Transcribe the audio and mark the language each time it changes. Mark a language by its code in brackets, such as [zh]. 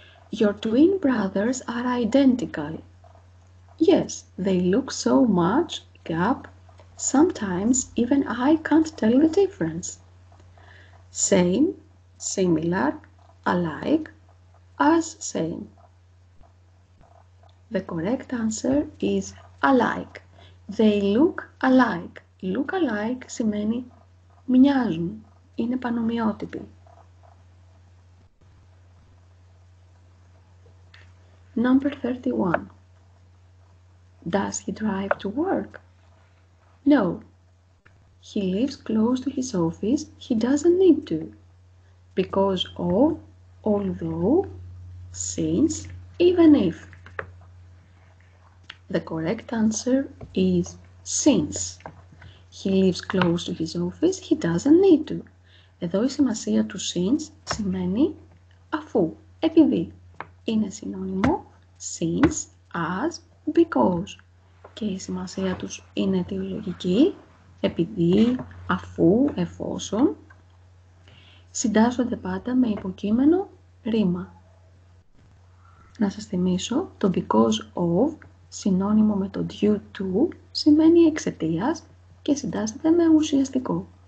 [en] Your twin brothers are identical. Yes, they look so much gap. Sometimes even I can't tell the difference. Same, similar, alike, as same. The correct answer is alike. They look alike. Look alike [el] σημαίνει μοιάζουν, είναι πανομοιότυποι. [en] Number 31. Does he drive to work? No. He lives close to his office. He doesn't need to. Because of, although, since, even if. The correct answer is since. He lives close to his office. He doesn't need to. [el] Εδώ η σημασία του since σημαίνει αφού, επειδή. Είναι συνώνυμο [en] since, as, because. [el] Και η σημασία τους είναι αιτιολογική, επειδή, αφού, εφόσον, συντάσσονται πάντα με υποκείμενο ρήμα. Να σας θυμίσω, το because of, συνώνυμο με το due to, σημαίνει εξαιτίας και συντάσσεται με ουσιαστικό.